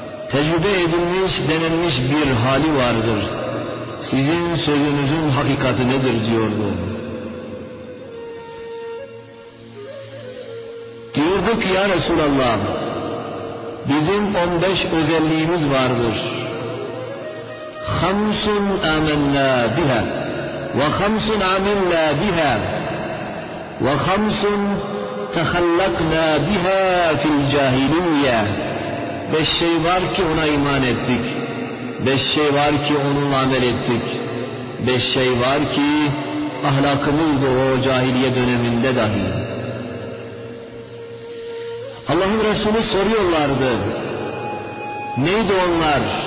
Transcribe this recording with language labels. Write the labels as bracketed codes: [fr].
[tr] Tecrübe edilmiş, denenmiş bir hali vardır. Sizin sözünüzün hakikati nedir diyordu. Diyorduk ya Resulallah, bizim 15 özelliğimiz vardır. [ar] خَمْسٌ اَمَنَّا بِهَا وَخَمْسٌ عَمِلْنَا بِهَا وَخَمْسٌ تَخَلَّقْنَا بِهَا فِي الْجَاهِلِيَّةِ [tr] Beş şey var ki ona iman ettik. Beş şey var ki onunla amel ettik. Beş şey var ki ahlakımızdı o cahiliye döneminde dahi. Allah'ın Resulü soruyorlardı. Neydi onlar?